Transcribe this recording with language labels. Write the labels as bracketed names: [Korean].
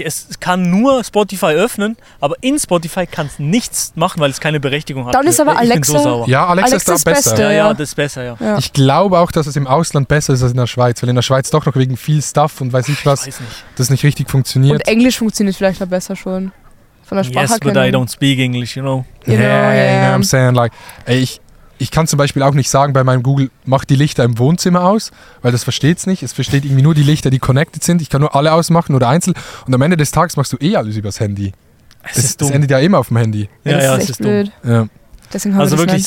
[German] Es kann nur Spotify öffnen, aber in Spotify kann es nichts machen, weil es keine Berechtigung hat. Dann ist aber Alexa. So ja, Alexa ist da besser. Beste, ja, das ist besser, ja. Ich glaube auch, dass es im Ausland besser ist als in der Schweiz, weil in der Schweiz doch noch wegen viel Stuff und weiß ich was, weiß nicht. Das nicht richtig funktioniert. Und Englisch funktioniert vielleicht noch besser schon. Von der Sprache her. [English] Yes, but I don't speak English, you know. Yeah, you know what I'm saying. [German] Like, ich kann zum Beispiel auch nicht sagen bei meinem Google, mach die Lichter im Wohnzimmer aus, weil das versteht es nicht. Es versteht irgendwie nur die Lichter, die connected sind. Ich kann nur alle ausmachen oder einzeln. Und am Ende des Tages machst du alles übers Handy. Es ist dumm. Das endet ja immer auf dem Handy. Ja, das ist dumm. Ja. Also wirklich nicht.